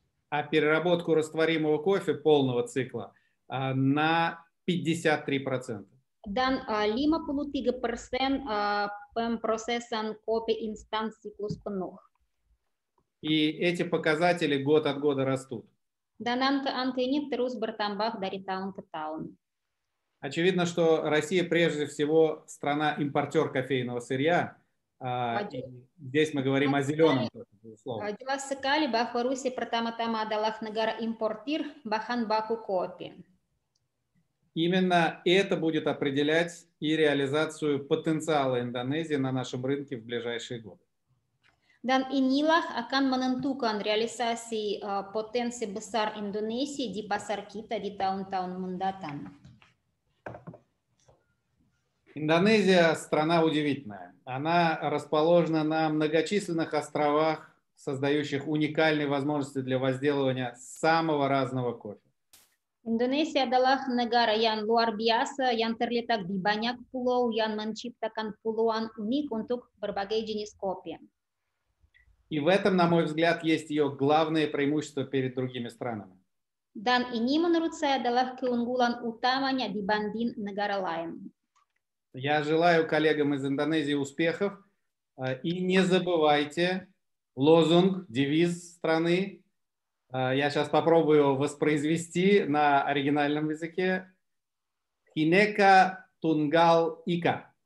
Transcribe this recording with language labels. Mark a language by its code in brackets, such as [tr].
[ru] А переработку растворимого кофе полного цикла на 53%. [id] Dan 53% pemrosesan kopi instan siklus penuh. [ru] И эти показатели год от года растут. [id] Dan angka ini terus bertambah dari tahun ke tahun. [ru] Очевидно, что Россия прежде всего страна-импортер кофейного сырья. Здесь мы говорим о зеленом кофе. [id] Jelas sekali bahwa Rusia pertama-tama adalah negara importer bahan baku kopi. [ru] Именно это будет определять и реализацию потенциала Индонезии на нашем рынке в ближайшие годы. [id] Dan inilah akan menentukan realisasi potensi besar Indonesia di pasar kita di tahun-tahun mendatang. [ru] Индонезия – страна удивительная. Она расположена на многочисленных островах, создающих уникальные возможности для возделывания самого разного кофе. [id] Индонезия adalah negara yang luar biasa, yang terletak di banyak pulau, yang menciptakan puluhan unik untuk berbagai jenis kopi. [ru] И в этом, на мой взгляд, есть ее главное преимущество перед другими странами. [id] Dan ini menurut saya adalah keunggulan utamanya dibanding negara lain. [ru] Я желаю коллегам из Индонезии успехов и не забывайте лозунг, девиз страны. Я сейчас попробую воспроизвести на оригинальном языке. [kaw] Хинека тунгал ика.